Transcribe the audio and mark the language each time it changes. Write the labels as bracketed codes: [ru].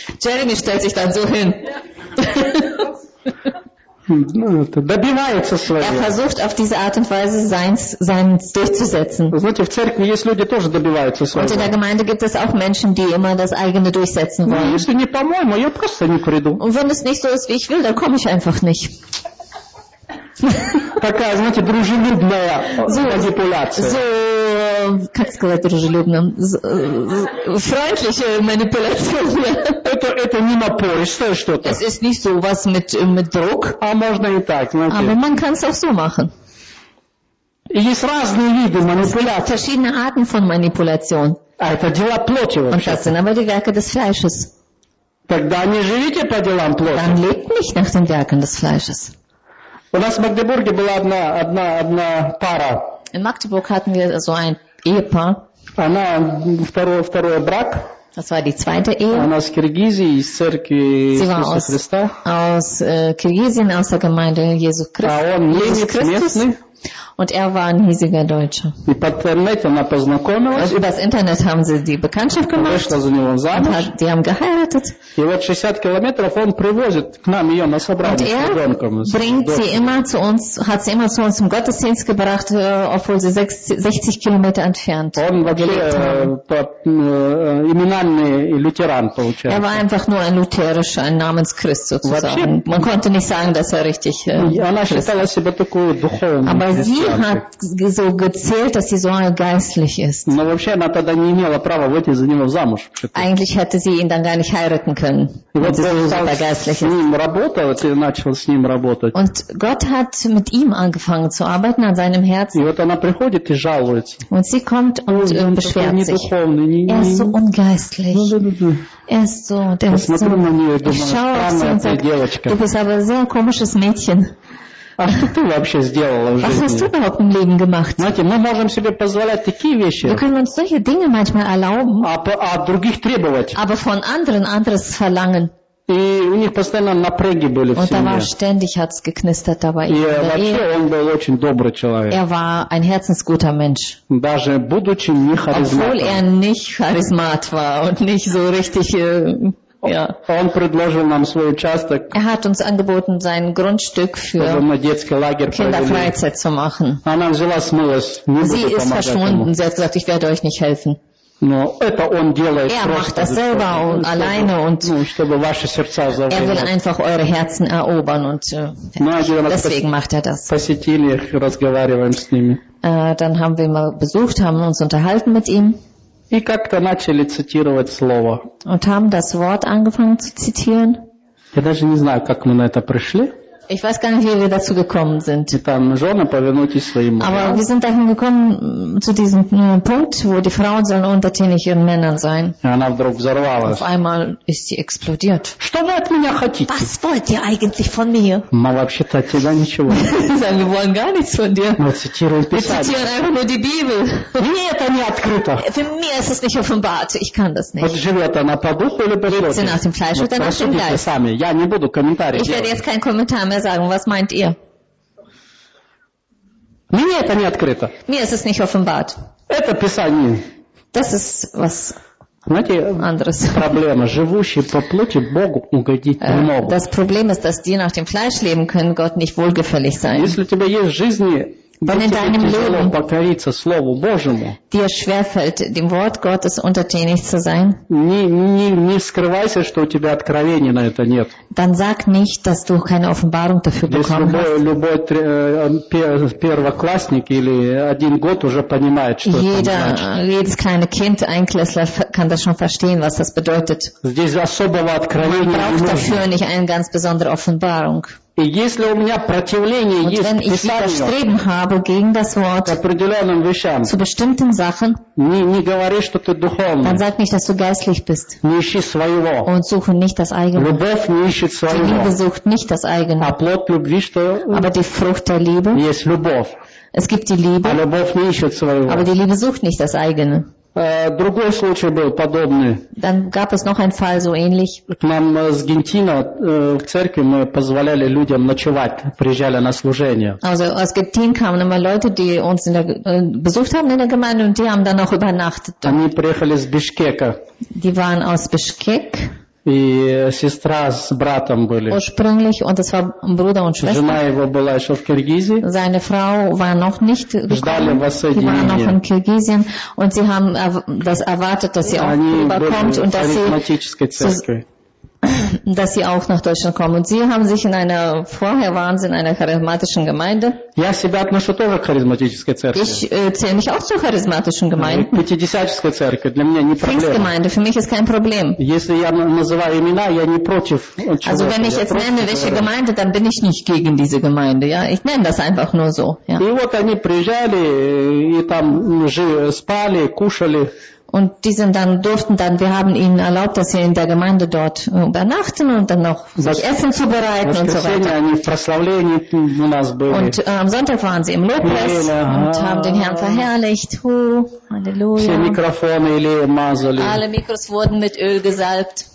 [de] Джереми stellt sich dann so hin. [ru] Добивается своего. [de] Versucht auf diese Art und Weise seins durchzusetzen. [ru] Знаете, в церкви есть люди тоже добиваются своего. [de] Und in der Gemeinde gibt es auch Menschen, die immer das eigene durchsetzen wollen. [ru] Ну, если не по-моему, я просто не приду. [de] Und wenn es nicht so ist, wie ich will, dann komme ich einfach nicht. [ru] Такая, знаете, дружелюбная манипуляция. So, как сказать дружелюбно? [de] Freundliche Manipulation. [ru] Это не напористое что-то. [de] Es ist nicht so was mit Druck. [ru] А можно и так, знаете. [de] Aber man kann es auch so machen. [ru] И есть разные виды манипуляции. [de] Es gibt verschiedene Arten von Manipulation. [ru] А это дела плоти вообще. [de] Und das sind aber die Werke des Fleisches. [ru] Тогда не живите по делам плоти. [de] Dann lebt nicht nach den Werken des Fleisches. [ru] У нас в Магдебурге была одна пара. [de] In Magdeburg hatten wir so ein Ehepaar. [ru] Она второй брак. [de] Das war die zweite Ehe. [ru] Она из Киргизии, из церкви Иисуса Христа. [de] Aus Kirgisien, aus der Gemeinde Jesu Christi. [ru] А он немец местный. [de] Und war ein hiesiger Deutscher. [ru] И по интернету она познакомилась. [de] Über das Internet haben sie die Bekanntschaft gemacht. [ru] Вышла за него замуж. [de] Die haben geheiratet. [ru] И вот 60 километров он привозит к нам ее на собрание с ребенком. [de] Und bringt sie immer zu uns, hat sie immer zu uns zum Gottesdienst gebracht, obwohl sie 60 Kilometer entfernt [ru] он вообще именанный лютеран получается. [de] War einfach nur ein lutherischer, ein Namenschrist sozusagen. Man konnte nicht sagen, dass richtig [ru] она считала себя такой духовной. [de] Aber sie hat so gezählt, dass sie so geistlich ist. [ru] Но вообще она тогда не имела права выйти за него замуж. [de] Eigentlich hätte sie ihn dann gar nicht heiraten können. [ru] Работать. [de] Und Gott hat mit ihm angefangen zu arbeiten an seinem Herzen. [ru] И вот она приходит и жалуется. [de] Und sie kommt und beschwert sich. [ru] Духовный, [de] er ist so ungeistlich. Er ist so, der ist so. Ich schaue auf sie und sage, du bist aber ein sehr komisches Mädchen. Was hast du überhaupt im Leben gemacht? Wir können uns solche Dinge manchmal erlauben, aber von anderen anderes verlangen. [ru] И у них постоянно напряги были [de] und [ru] в семье. [de] Geknistert dabei. [ru] И вообще он был очень добрый человек. [de] Er war ein herzensguter Mensch. [ru] Даже будучи не харизматом. [de] Obwohl er nicht charismat war und nicht so richtig, ja. [ru] Он предложил нам свой участок. [de] Er hat uns angeboten sein Grundstück für Kinderfreizeit zu machen. [ru] Она взяла, смылась, не [de] sie ist verschwunden. Sie hat gesagt, ich werde euch nicht helfen. [ru] Но это он делает [de] er macht das selber und alleine und [ru] чтобы ваши сердца завоевать. [de] Er will einfach eure Herzen erobern und deswegen macht er das. [ru] Посетили, разговариваем с ними. [de] Dann haben wir mal besucht, haben uns unterhalten mit ihm. [ru] И как-то начали цитировать слово. [de] Und haben das Wort angefangen zu zitieren. [ru] Я даже не знаю, как мы на это пришли. [de] Ich weiß gar nicht, wie wir dazu gekommen sind. Aber wir sind dahin gekommen, zu diesem Punkt, wo die Frauen sollen untertänig ihren Männern sein. Auf einmal ist sie explodiert. Was wollt ihr eigentlich von mir? Wir wollen gar nichts von dir. Wir zitieren einfach nur die Bibel. Für mich ist es nicht offenbart. Ich kann das nicht. Lebt sie nach dem Fleisch oder nach dem Geist? [ru] Я не буду комментарии делать. [de] Ich werde jetzt keinen Kommentar mehr sagen, was meint ihr? [ru] Мне это не открыто. [de] Mir ist es nicht offenbart. [ru] Это Писание. [de] Das ist was [ru] знаете, [de] anderes. [ru] Проблема. Живущие по плоти Богу угодить не могут. [de] Das Problem ist, dass die nach dem Fleisch leben können, Gott nicht wohlgefällig sein. [ru] Если у тебя есть жизни, [de] wenn in deinem Leben [ru] покориться Слову Божьему, [de] dir schwerfällt, dem Wort Gottes untertänig zu sein, [ru] не скрывайся, что у тебя откровения на это нет. [de] Dann sag nicht, dass du keine Offenbarung dafür bekommen hast. [ru] Любой первоклассник или один год уже понимает, что [de] jeder, [ru] это значит. [de] Jedes kleine Kind, Einklässler, kann das schon verstehen, was das bedeutet. [ru] Здесь особого откровения [de] man braucht dafür nicht eine ganz besondere Offenbarung. [ru] И если у меня противление [de] und [ru] есть к Писанию, [de] widerstreben habe gegen das Wort, [ru] к определенным вещам, [de] zu bestimmten Sachen, [ru] не говори, что ты духовный, [de] dann sag nicht, dass du geistlich bist. [ru] Не ищи своего. [de] Und suche nicht das eigene. [ru] Любовь не ищет своего. [de] Die Liebe sucht nicht das eigene. [ru] А плод любви, что... [de] Aber die Frucht der Liebe [ru] есть любовь. [de] Es gibt die Liebe. [ru] А любовь не ищет своего. [de] Aber die Liebe sucht nicht das eigene. [ru] Другой случай был подобный. [de] Dann gab es noch einen Fall so ähnlich. [ru] К нам с Гентино в церкви мы позволяли людям ночевать, приезжали на служение. [de] Also aus Gentin kamen immer Leute, die uns in der, besucht haben in der Gemeinde und die haben dann auch übernachtet. [ru] Они приехали из Бишкека. [de] Die waren aus Bishkek. [ru] И сестра с братом были. [de] Ursprünglich und es war Bruder und Schwester. [ru] Жена его была еще в Киргизии. [de] Seine Frau war noch nicht gekommen. [ru] Ждали воссоединения. [de] Die war noch in Kirgisien und sie haben das erwartet, dass sie auch rüberkommt und dass sie auch nach Deutschland kommen. Und sie haben sich in einer vorher waren sie in einer charismatischen Gemeinde. [ru] Я себя отношу тоже к харизматической церкви. [de] Ich zähle mich auch zur charismatischen Gemeinde. [ru] Пятидесятническая церковь для меня не проблема. Пятидесятническая церковь для меня не проблема. Если я называю имена, я не против. [de] Also wenn ich jetzt nenne, welche Gemeinde, dann bin ich nicht gegen diese Gemeinde. Ja, ich nenne das einfach nur so. Ja. [ru] И вот они приезжали и там спали, кушали. [de] Und die sind dann, durften dann, wir haben ihnen erlaubt, dass sie in der Gemeinde dort übernachten und dann noch sich Essen zubereiten und so weiter. Und am Sonntag waren sie im Lobpreis und haben den Herrn verherrlicht. Halleluja. Alle Mikros wurden mit Öl gesalbt.